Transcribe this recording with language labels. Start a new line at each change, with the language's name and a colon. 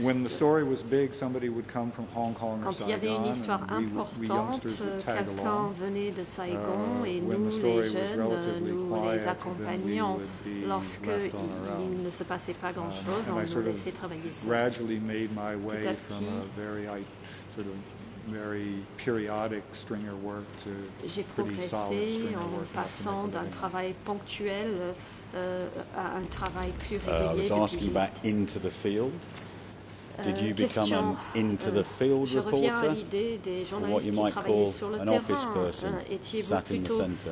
English: When the story was big, somebody would come from Hong Kong or
French: Quand il y avait une histoire importante, quelqu'un venait de Saigon et nous les accompagnions. Lorsque il ne se passait pas grand-chose, on nous laissait travailler.
English: Gradually made my way from a very sort of very periodic stringer work to
French: J'ai progressé
English: solid stringer
French: en
English: work
French: passant d'un travail ponctuel à un travail plus régulier.
English: I was asking about into the field. Did you become an into the field reporter? What you might call an office person sat in the center.